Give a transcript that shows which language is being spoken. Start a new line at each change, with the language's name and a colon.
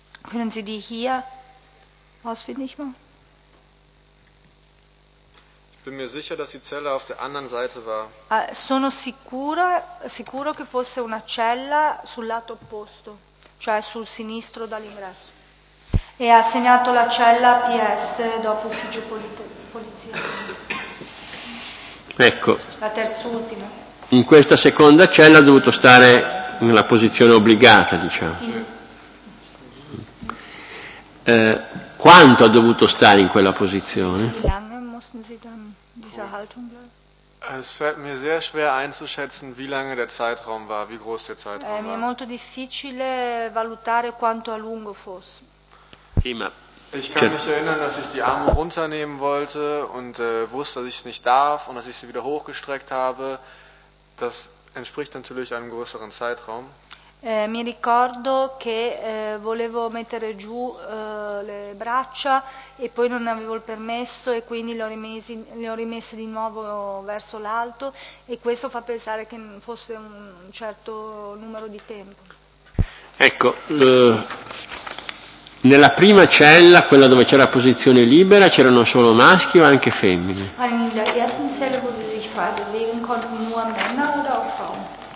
German: Können Sie die hier ausfindig machen? Ich bin mir sicher, dass die Zelle auf der anderen Seite war.
Italian: Sono sicura, sicuro che fosse una cella sul lato opposto, cioè sul sinistro dall'ingresso. E ha segnato la cella PS dopo ufficio polizia. Ecco. La terz'ultima. In questa seconda cella ha dovuto stare nella posizione obbligata, diciamo. Quanto ha dovuto stare in quella posizione?
German: Lange mussten sie dann dieser Haltung bleiben? Es fällt mir sehr schwer einzuschätzen, wie lange der Zeitraum war, wie groß der Zeitraum war.
Italian: Mi è molto difficile valutare quanto a lungo fosse.
German: Thema. Ich kann mich erinnern, dass ich die Arme runternehmen wollte und wusste, dass ich es nicht darf und dass ich sie wieder hochgestreckt habe. Das entspricht natürlich einem größeren Zeitraum.
Italian: Mi ricordo che volevo mettere giù le braccia e poi non avevo il permesso e quindi le ho rimesse di nuovo verso l'alto e questo fa pensare che fosse un certo numero di tempo. Ecco, nella prima cella, quella dove c'era posizione libera, c'erano solo maschi o anche femmine? Nella prima cella,
German: wo sie sich frei bewegen konnten, nur Männer oder auch Frauen?